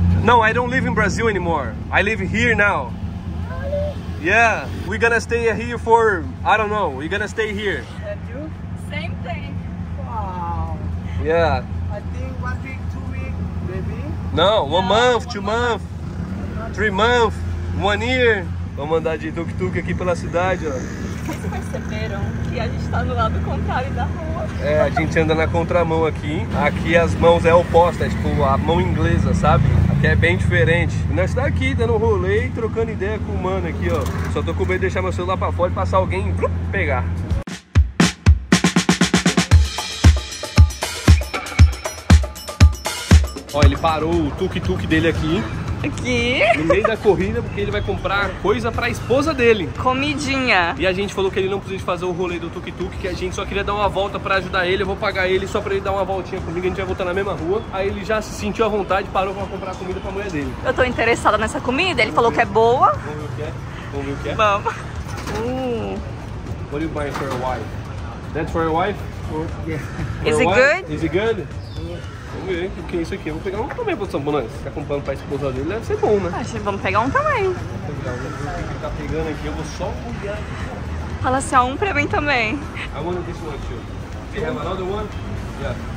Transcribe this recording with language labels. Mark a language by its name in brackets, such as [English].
[English] No, I don't live in Brazil anymore. I live here now. Really? Yeah, we're gonna stay here for, I don't know, we're gonna stay here. And you? Same thing. Wow. Yeah. I think 1 week, 2 weeks, maybe? No, one month. 3 months, 1 year. [Portuguese] Vamos andar de tuk-tuk aqui pela cidade, ó. Vocês perceberam que a gente tá no lado contrário da rua. É, a gente anda na contramão aqui. Aqui as mãos é oposta, é tipo a mão inglesa, sabe? Aqui é bem diferente. E nós tá aqui dando um rolê e trocando ideia com o mano aqui, ó. Só tô com medo de deixar meu celular pra fora e passar alguém e pegar. Ó, ele parou o tuk-tuk dele aqui. Aqui? No meio da corrida, porque ele vai comprar coisa pra esposa dele. Comidinha. E a gente falou que ele não precisa fazer o rolê do tuk-tuk, que a gente só queria dar uma volta pra ajudar ele. Eu vou pagar ele só pra ele dar uma voltinha comigo, a gente vai voltar na mesma rua. Aí ele já se sentiu à vontade e parou pra comprar a comida pra mulher dele. Eu tô interessada nessa comida, ele falou que é boa. Vamos ver o que é? Vamos ver o que é? Vamos. [English] What do you buy for your wife? That's for your wife? Yeah. Is it good? Is it good? [Portuguese] Vamos ver o que é isso aqui. Vamos pegar um também pro Sambonães. Tá comprando pra esposa dele, deve ser bom, né? Acho que vamos pegar um também. Vamos pegar um. O que ele tá pegando aqui? Eu vou só olhar. Fala assim, um pra mim também. [English] I want this one too. You have another one? Yeah.